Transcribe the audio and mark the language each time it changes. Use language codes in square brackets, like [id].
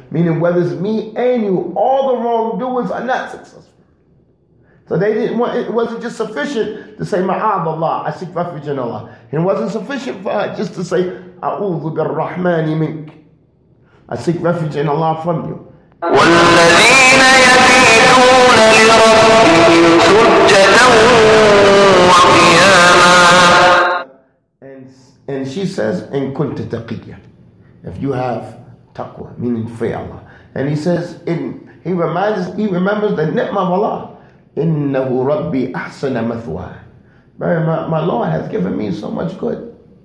[en] Meaning, whether it's me and you, all the wrongdoers are not successful. So they didn't want, it wasn't just sufficient to say, مَعَاذَ Allah, I seek refuge in Allah. It wasn't sufficient for her just to say, [ar] أعوذ بالرحمن منك. [en] I seek refuge in Allah from you. [ar] والذين يبيتون لربهم سجدا وقياما. [en] And she says, [ar] إن كنت تقيا. [en] If you have taqwa, meaning fear Allah. And he says, he remembers the ni'mah of Allah. [ar] إنه ربي أحسن مثواه. [en] My Lord has given me so much good.